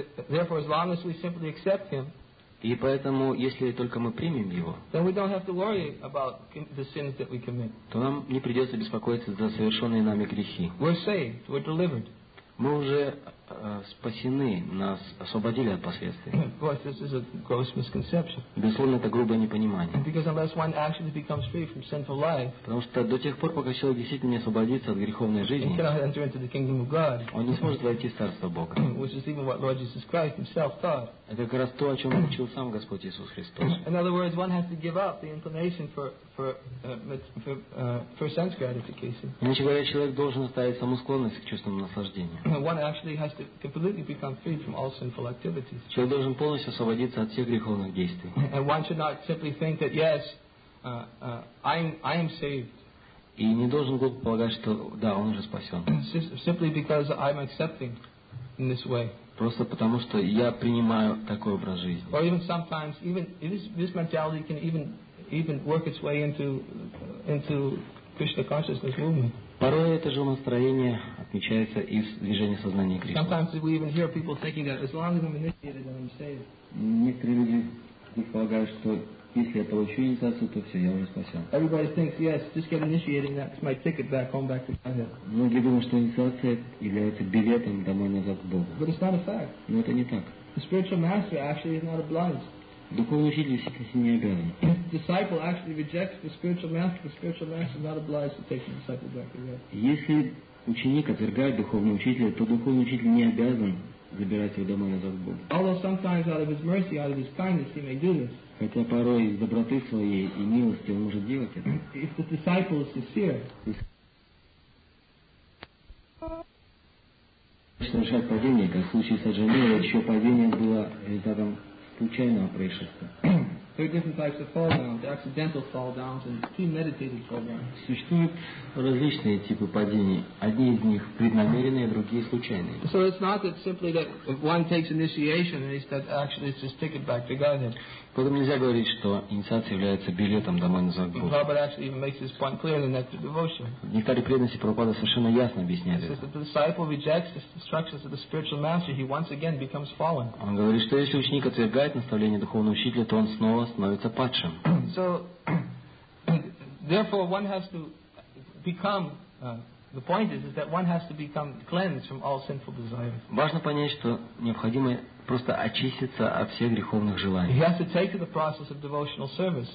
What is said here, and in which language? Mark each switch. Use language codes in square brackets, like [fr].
[en] Therefore, as long as we simply accept Him, [ru] и поэтому, если только мы примем Его, [en] then we don't have to worry about the sins that we commit. [ru] То нам не придется беспокоиться за совершенные нами грехи. [en] We're saved. We're delivered. [ru] Мы уже спасены, нас освободили от последствий. [en] Of course, this is a gross misconception. [ru] Безусловно, это грубое непонимание. [en] Because unless one actually becomes free from sinful life, [ru] потому что до тех пор, пока человек действительно не освободится от греховной жизни, [en] he cannot enter into the kingdom of God. [ru] Он не сможет войти в царство Бога. [en] Which is even what Lord Jesus Christ Himself taught. [ru] Это как раз то, о чем учил сам Господь Иисус Христос. [en] In other words, one has to give up the inclination for sense gratification. [ru] Иначе говоря, человек должен оставить саму склонность к чувственному наслаждению. [en] One actually has to completely become free from all sinful activities. [ru] Человек должен полностью освободиться от всех греховных действий. [en] And one should not simply think that yes, I am saved. [ru] И не должен глупо полагать, что да, он уже спасен. [en] Simply because I'm accepting in this way. [ru] Просто потому, что я принимаю такой образ жизни. [en] Or even sometimes, this mentality can even work its way into Krishna consciousness movement. [ru] Порой это же настроение отмечается из движения сознания Кришны. [en] Sometimes we even hear people thinking that as long as I'm initiated, then I'm saved. [ru] Некоторые люди предполагают, что если я получу инициацию, то все, я уже спасен. [en] Everybody thinks, yes, just get initiated, that's my ticket back home, back to Godhead. [ru] Многие думают, что инициация является билетом домой назад к Богу. [en] But it's not a fact. [ru] Но это не так. [en] The spiritual master actually is not obliged. [ru] Духовный учитель действительно не обязан. [en] The disciple actually rejects the spiritual master is not obliged to take the disciple back to God. [ru] Если ученик отвергает духовного учителя, то духовный учитель не обязан забирать его домой назад к Богу. [en] Although sometimes out of his mercy, out of his kindness, he may do this. [ru] Хотя порой из доброты своей и милости он может делать это. [en] If the disciple is sincere, [ru] совершает падение, как в случае с Аджамилой, еще падение было результатом случайного происшествия. Существуют различные типы падений. Одни из них преднамеренные, другие случайные. [en] So it's not that simply that one takes initiation and that actually it's his ticket back to Godhead. [ru] Поэтому нельзя говорить, что инициация является билетом домой назад к Богу. [en] Prabhupada actually even makes this point clear in that devotion. [ru] В некоторой преданности Прабхупада совершенно ясно объясняет это. [en] He says that the disciple rejects the instructions of the spiritual master, he once again becomes fallen. [ru] Он говорит, что если ученик отвергает наставление духовного учителя, то он снова становится падшим. [en] So, therefore, one has to become. The point is that one has to become cleansed from all sinful desires. [ru] Важно понять, что необходимо просто очиститься от всех греховных желаний. [en] He has to take the process of devotional service.